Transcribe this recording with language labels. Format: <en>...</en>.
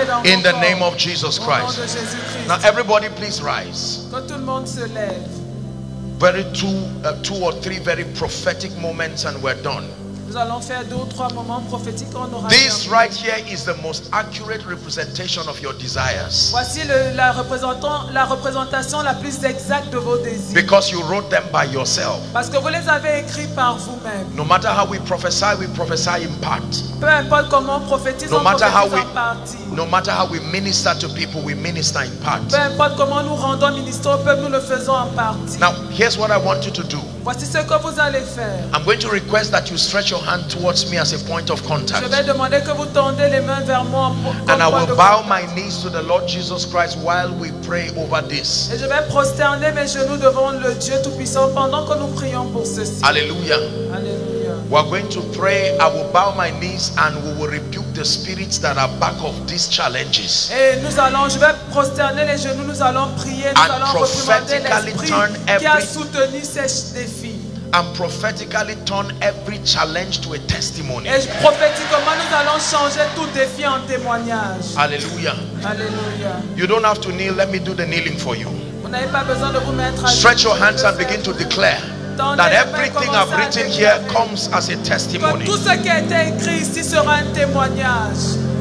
<en>In the name of Jesus Christ. Now everybody please rise. Very two or three very prophetic moments and we're done. This right here is the most accurate representation of your desires.</en> <fr>Voici la représentation la plus exacte de vos désirs.</fr> <en>Because you wrote them by yourself.</en> <fr>Parce que vous les avez écrits par vous-même.</fr> <en>No matter how we prophesy in part.</en> <fr>Peu importe comment on prophétise, on prophétise en partie.</fr> <en>No matter how we minister to people, we minister in part.</en> <fr>Peu importe comment nous rendons ministre au peuple, nous le faisons en partie.</fr> <en>Now, here's what I want you to do.</en> <fr>Voici ce que vous allez faire.</fr> <en>I'm going to request that you stretch your hand towards me as a point of contact.</en> <fr>Je vais demander que vous tendez les mains vers moi comme point de contact.</fr> <en>And I will bow my knees to the Lord Jesus Christ while we pray over this.</en> <fr>Et je vais prosterner mes genoux devant le Dieu Tout-Puissant pendant que nous prions pour ceci. Alléluia. Alléluia.</fr> <en>We are going to pray. I will bow my knees and we will rebuke the spirits that are back of these challenges.</en> <fr>Et nous allons, je vais prosterner les genoux, nous allons prier, nous</fr> <en>and</en> <fr>allons</fr> <en>prophetically turn every,</en> <fr>qui a soutenu ces défis.</fr> <en>And prophetically turn every challenge to a testimony.</en> <fr>Et prophétiquement, nous allons changer tout défi en témoignage. Alléluia. Alléluia.</fr> <en>You don't have to kneel. Let me do the kneeling for you.</en> <fr>Vous n'avez pas besoin de vous mettre à</fr> <en>stretch your hands and begin to declare that everything I've written here comes as a testimony.</en> <fr>Tout ce qui a été écrit ici sera un témoignage.</fr>